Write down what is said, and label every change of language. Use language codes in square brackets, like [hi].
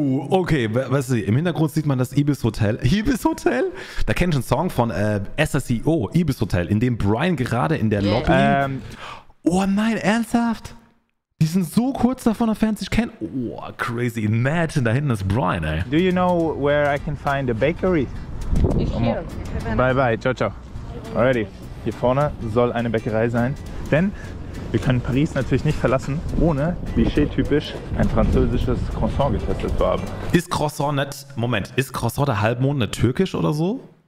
[de] Okay, weißt du, im Hintergrund sieht man das Ibis Hotel? Da kenn ich einen Song von SSEO, Ibis Hotel, in dem Brian gerade in der Lobby. Oh nein, ernsthaft? Die sind so kurz davon, dass Fans sich kennen. [en] Oh, crazy. Imagine, [de] da hinten ist Brian, ey. [en] Do you know where I can find a bakery? [de] Ich hier. [en] Bye, ciao. [de] Alrighty, hier vorne soll eine Bäckerei sein, denn wir können Paris natürlich nicht verlassen, ohne klischee-typisch ein französisches Croissant getestet zu haben. Ist Croissant der Halbmond nicht türkisch oder so?